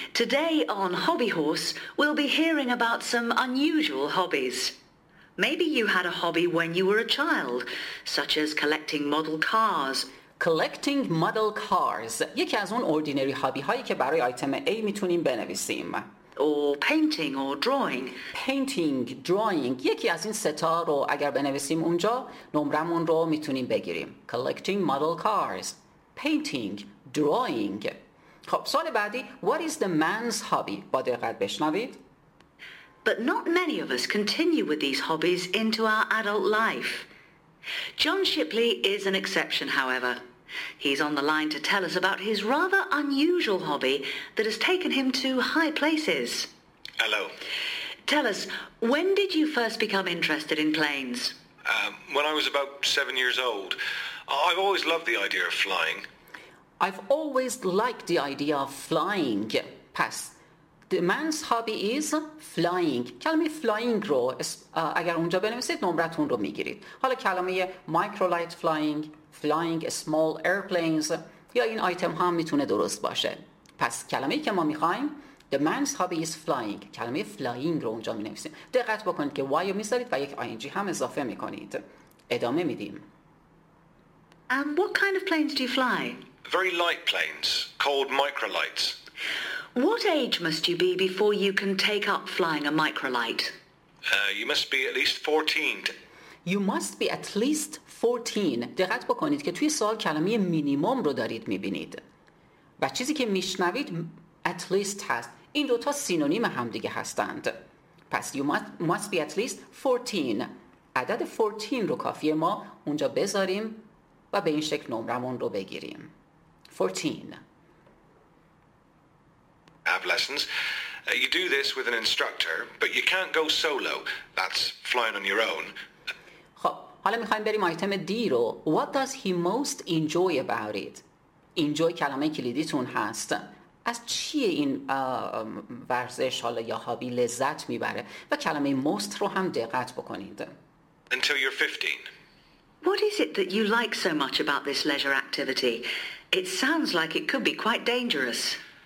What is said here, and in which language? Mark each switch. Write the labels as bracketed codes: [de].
[en] Today on Hobby Horse, we'll be hearing about some unusual hobbies. Maybe you had a hobby when you were a child, such as collecting model cars. Collecting model cars. [fa] یکی از اون ordinary hobby هایی که برای آیتم A میتونیم بنویسیم. [en] Or painting or drawing. Painting, drawing. [fa] یکی از این ستا رو اگر بنویسیم اونجا نمرمون رو میتونیم بگیریم. [en] Collecting model cars. Painting, drawing. [fa] خب سوال بعدی [en] What is the man's hobby? [fa] با دقت بشنوید. [en] But not many of us continue with these hobbies into our adult life. John Shipley is an exception, however. He's on the line to tell us about his rather unusual hobby that has taken him to high places. Hello. Tell us, when did you first become interested in planes? When I was about 7 years old. I've always loved the idea of flying. I've always liked the idea of flying. Pass. The man's hobby is flying. [fa] کلمه flying رو اگر اونجا بنویسید نمرتون رو میگیرید. حالا کلمه microlight flying, [en] flying small airplanes [fa] یا این آیتم ها میتونه درست باشه. پس کلمه‌ای که ما میخوایم [en] the man's hobby is flying. [fa] کلمه flying رو اونجا مینویسیم. دقت بکنید که y رو میذارید و یک ing هم اضافه میکنید. ادامه میدیم. [en] What kind of planes do you fly? Very light planes, called microlights. What age must you be before you can take up flying a microlight? You must be at least 14. You must be at least 14. [fa] دقت بکنید که توی سوال کلمه مینیمم رو دارید میبینید. و چیزی که میشنوید at least هست. این دوتا سینونیم هم دیگه هستند. [en] پس you must be at least 14. [fa] عدد 14 رو کافیه ما اونجا بذاریم و به این شکل نمرمون رو بگیریم. [en] 14. Have lessons. You do this with an instructor, but you can't go solo. That's flying on your own. [fa] خب، حالا میخوایم بریم آیتم دی رو. [en] What does he most enjoy about it? [fa] Enjoy کلمه کلیدیتون هست. از چیه این ورزش حالا یا هابی لذت میبره؟ و کلمه most رو هم دقت بکنید. [en] Until you're 15. What is it that you like so much about this leisure activity? It sounds like it could be quite dangerous.